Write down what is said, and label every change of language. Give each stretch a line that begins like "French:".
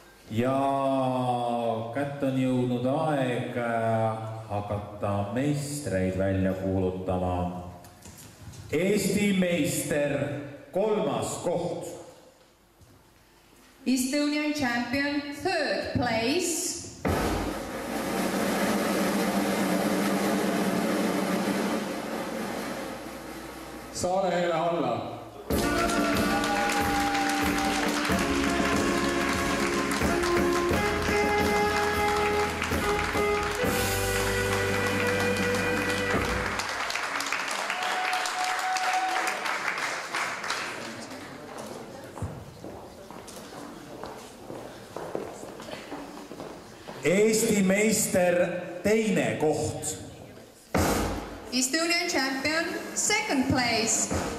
Estonian: Ja kätt on jõudnud aeg hakata meistreid välja kuulutama. Eesti meister kolmas koht.
English: Estonian champion third place.
Estonian: Saarehele alla! Eesti meister teine koht.
English: Estonian champion second place.